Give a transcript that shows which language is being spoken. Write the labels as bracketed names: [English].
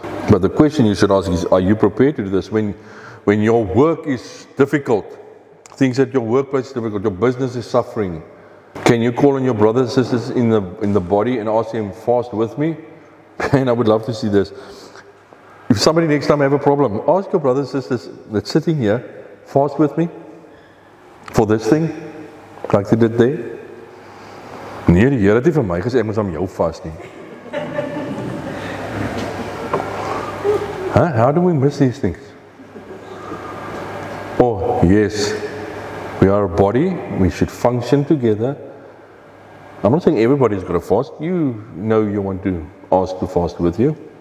[English] But the question you should ask is, are you prepared to do this? When your work is difficult, things at your workplace is difficult, your business is suffering, can you call on your brothers and sisters in the body and ask them, fast with me? And I would love to see this. If somebody next time have a problem, ask your brothers and sisters that's sitting here, fast with me for this thing, like they did there. [Afrikaans] Nee, die Here het vir my gesê, ek moet aan jou vast nie. Huh? [English] How do we miss these things? Oh, yes. We are a body. We should function together. I'm not saying everybody's got to fast. You know you want to ask to fast with you.